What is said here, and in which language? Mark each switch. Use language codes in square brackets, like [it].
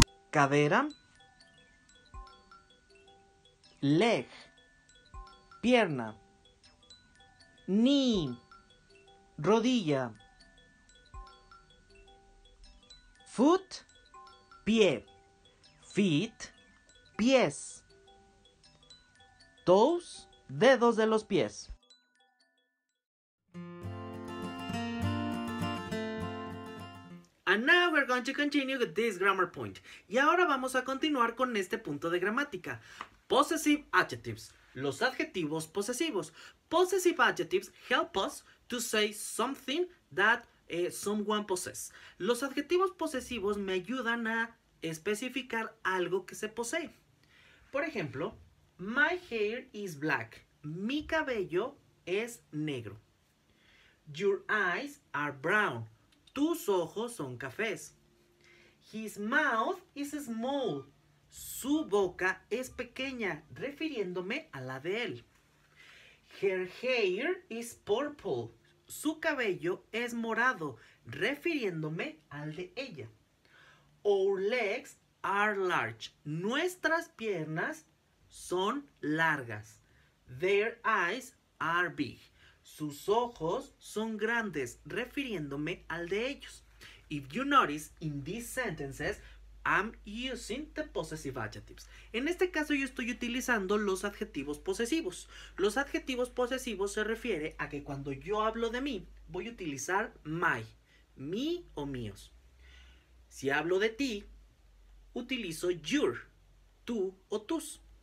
[es] Cadera, [en] leg, [es] pierna, [en] knee, [es] rodilla, [en] foot, [es] pie, [en] feet, [es] pies, [en] toes, [es] dedos de los pies. [en] And now we're going to continue with this grammar point. [es] Y ahora vamos a continuar con este punto de gramática. [en] Possessive adjectives. [es] Los adjetivos posesivos. [en] Possessive adjectives help us to say something that someone possesses. [es] Los adjetivos posesivos me ayudan a especificar algo que se posee. Por ejemplo, [en] my hair is black. [es] Mi cabello es negro. [en] Your eyes are brown. [es] Tus ojos son cafés. [en] His mouth is small. [es] Su boca es pequeña, refiriéndome a la de él. [en] Her hair is purple. [es] Su cabello es morado, refiriéndome al de ella. [en] Our legs are large. [es] Nuestras piernas son largas. [en] Their eyes are big. [es] Sus ojos son grandes, refiriéndome al de ellos. [en] If you notice, in these sentences, I'm using the possessive adjectives. [es] En este caso, yo estoy utilizando los adjetivos posesivos. Los adjetivos posesivos se refiere a que cuando yo hablo de mí, voy a utilizar my, mi o míos. Si hablo de ti, utilizo your, tú o tus.